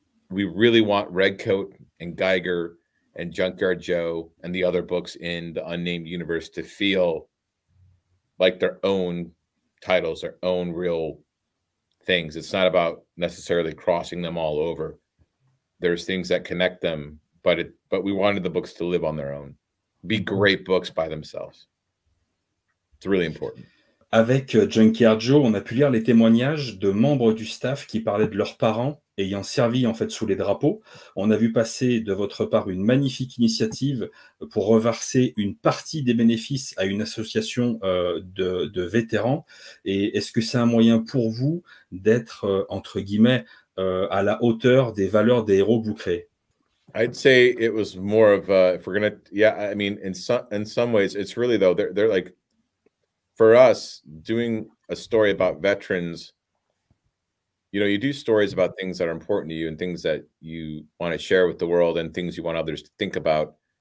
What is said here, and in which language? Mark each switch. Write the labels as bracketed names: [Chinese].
[English] We really want Redcoat and Geiger and Junkyard Joe and the other books in the unnamed universe to feel like their own titles, their own real things. It's not about necessarily crossing them all over. There's things that connect them, but we wanted the books to live on their own, be great books by themselves. It's really important. [French] Avec Junkyard Joe, on a pu lire les témoignages de membres du staff qui parlaient de leurs parents ayant servi en fait sous les drapeaux. On a vu passer de votre part une magnifique initiative pour reverser une partie des bénéfices à une association de vétérans. Et est-ce que c'est un moyen pour vous d'être, entre guillemets, à la hauteur des valeurs des héros que vous créez? [English] I'd say it was more of if we're gonna, yeah, I mean, in some ways, it's really, though, they're like, for us, doing a story about veterans, you know, you do stories about things that are important to you and things that you want to share with the world and things you want others to think about.